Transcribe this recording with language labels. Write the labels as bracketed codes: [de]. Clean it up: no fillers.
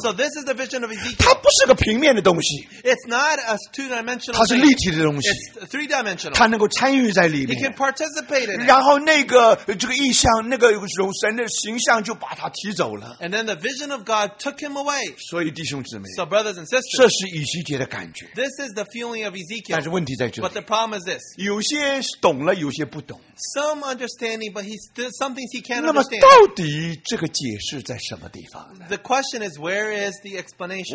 [en] So this is the vision of Ezekiel. [zh] 它不是个平面的东西。 [en] It's not a two-dimensional. [zh] 它是立体的东西。 [en] It's three-dimensional. [zh] 它能够参与在里面。 [en] You can part. [zh] 然后那个这个意象，那个神的形象就把他提走了。 [en] And then the vision of God took him away. [zh] 所以弟兄姊妹 [en] ，So brothers and sisters， [zh] 这是以西结的感觉。 [en] This is the feeling of Ezekiel. [zh] 但是问题在这里。 [en] But the problem is this. [zh] 有些懂了，有些不懂。 [en] Some understanding, but some things he can't understand. [zh] 那么到底这个解释在什么地方呢 [en] ？The question is where is the explanation?